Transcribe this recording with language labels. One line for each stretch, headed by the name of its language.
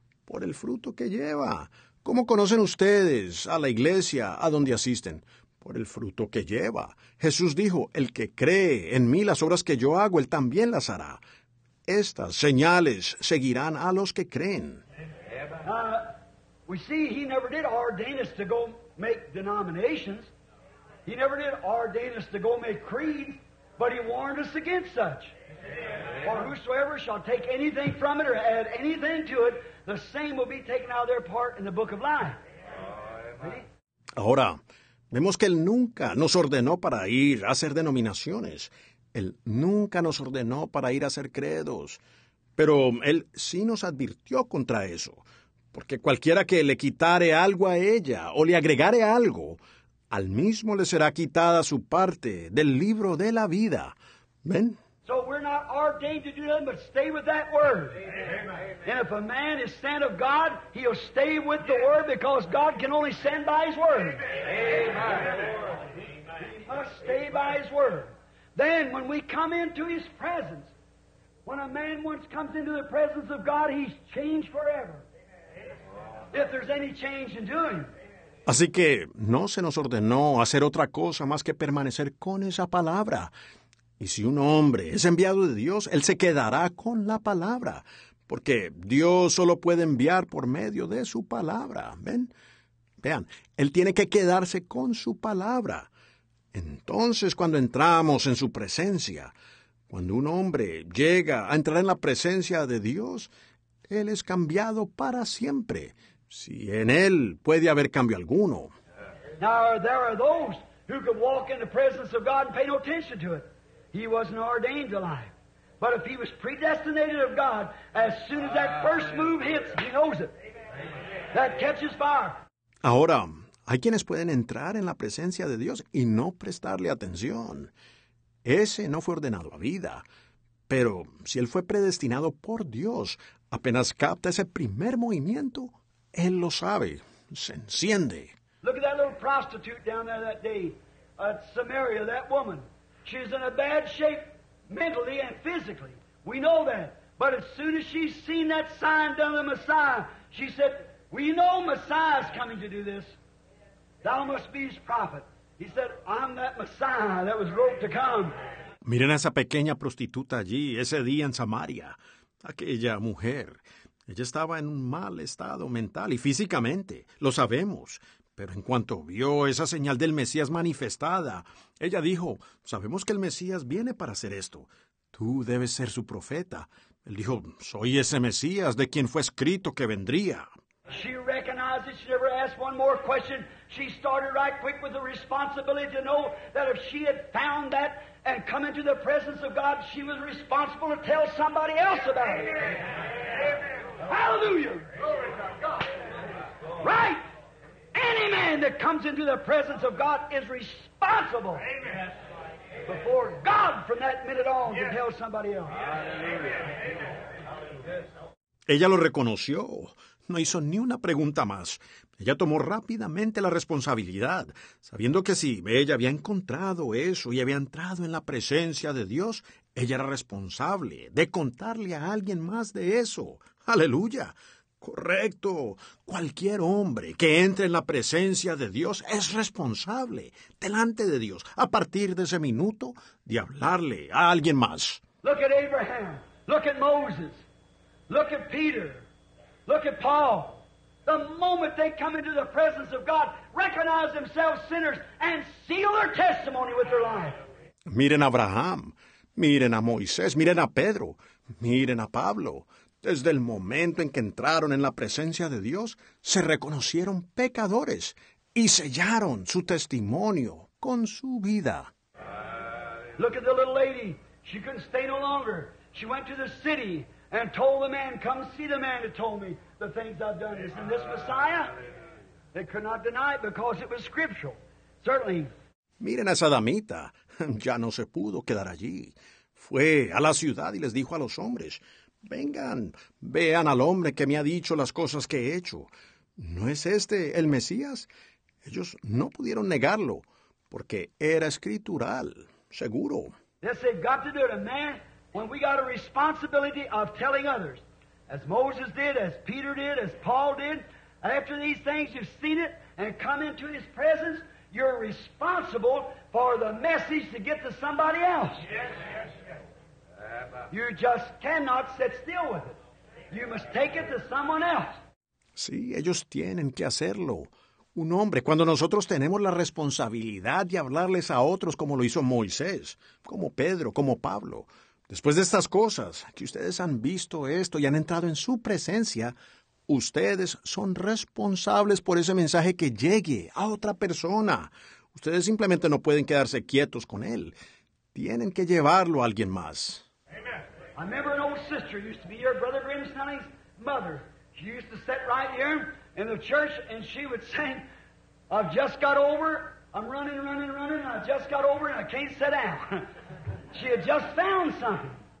Spanish: Por el fruto que lleva. ¿Cómo conocen ustedes a la iglesia a donde asisten? Por el fruto que lleva. Jesús dijo, el que cree en mí las obras que yo hago, él también las hará. Estas señales seguirán a los que creen.
English: We see he never did ordain us to go make denominations. He never did ordain us to go make creeds, but he warned us against such. For whosoever shall take anything from it or add anything to it, the same will be taken out of their part in the book of life.
Spanish: Ahora, vemos que él nunca nos ordenó para ir a hacer denominaciones. Él nunca nos ordenó para ir a hacer credos. Pero él sí nos advirtió contra eso. Porque cualquiera que le quitare algo a ella o le agregare algo, al mismo le será quitada su parte del libro de la vida. ¿Ven?
English: So we're not ordained to do nothing but stay with that word. Amen. And if a man is sent of God, he'll stay with the word because God can only send by his word. Amen. He must stay by his word. Then when we come into his presence, when a man once comes into the presence of God, he's changed forever. If there's any change in doing.
Spanish: Así que no se nos ordenó hacer otra cosa más que permanecer con esa palabra. Y si un hombre es enviado de Dios, él se quedará con la palabra, porque Dios solo puede enviar por medio de su palabra. ¿Ven? Vean, él tiene que quedarse con su palabra. Entonces, cuando entramos en su presencia, cuando un hombre llega a entrar en la presencia de Dios, él es cambiado para siempre, si en él puede haber cambio alguno.
English: Now, there are those who could walk in the presence of God and pay no attention to it. He wasn't ordained alive. But if he was predestinated of God, as soon as that first move hits, he knows it. That catches fire.
Spanish: Ahora, hay quienes pueden entrar en la presencia de Dios y no prestarle atención. Ese no fue ordenado a vida. Pero si él fue predestinado por Dios, apenas capta ese primer movimiento, él lo sabe. Se enciende.
English: Look at that little prostitute down there that day. At Samaria, that woman. She's in a bad shape mentally and physically. We know that. But as soon as she's seen that sign done of the Messiah, she said, we know Messiah's coming to do this. Thou must be his prophet. He said, I'm that Messiah that was wrote to come.
Spanish: Miren a esa pequeña prostituta allí, ese día en Samaria. Aquella mujer. Ella estaba en un mal estado mental y físicamente. Lo sabemos. Pero en cuanto vio esa señal del Mesías manifestada, ella dijo, sabemos que el Mesías viene para hacer esto. Tú debes ser su profeta. Él dijo, soy ese Mesías de quien fue escrito que vendría.
English: She recognized it. She never asked one more question. She started right quick with the responsibility to know that if she had found that and come into the presence of God, she was responsible to tell somebody else about it. Amen. Hallelujah. Glory to God. Right. Any man that comes into the presence of God is responsible. Amen. Before God from that minute on, yes, to tell somebody else. Hallelujah.
Spanish: Ella lo reconoció. No hizo ni una pregunta más. Ella tomó rápidamente la responsabilidad, sabiendo que si ella había encontrado eso y había entrado en la presencia de Dios, ella era responsable de contarle a alguien más de eso. ¡Aleluya! Correcto. Cualquier hombre que entre en la presencia de Dios es responsable delante de Dios a partir de ese minuto de hablarle a alguien más.
English: Look at Abraham. Look at Moses. Look at Peter. Look at Paul. The moment they come into the presence of God, recognize themselves sinners and seal their testimony with their life.
Spanish: Miren a Abraham, miren a Moisés, miren a Pedro, miren a Pablo. Desde el momento en que entraron en la presencia de Dios, se reconocieron pecadores y sellaron su testimonio con su vida.
English: Look at the little lady. She couldn't stay no longer. She went to the city and told the man, come see the man that told me the things I've done. Isn't this Messiah? They could not deny it because it was scriptural. Certainly.
Spanish: Miren a esa damita. Ya no se pudo quedar allí. Fue a la ciudad y les dijo a los hombres, vengan, vean al hombre que me ha dicho las cosas que he hecho. ¿No es este el Mesías? Ellos no pudieron negarlo, porque era escritural, seguro.
English: Yes, they've got to do it. A man, when we got a responsibility of telling others, as Moses did, as Peter did, as Paul did, after these things you've seen it and come into his presence, you're responsible for the message to get to somebody else. Yes. You just cannot sit still with it. You must take it to someone else.
Spanish: Sí, ellos tienen que hacerlo. Un hombre, cuando nosotros tenemos la responsabilidad de hablarles a otros como lo hizo Moisés, como Pedro, como Pablo, después de estas cosas, que ustedes han visto esto y han entrado en su presencia, ustedes son responsables por ese mensaje que llegue a otra persona. Ustedes simplemente no pueden quedarse quietos con él. Tienen que llevarlo a alguien más.
English: I remember an old sister used to be your brother Grimstone's mother. She used to sit right here in the church and she would sing, I've just got over, I'm running, running, running, I just got over and I can't sit down. She had just found something.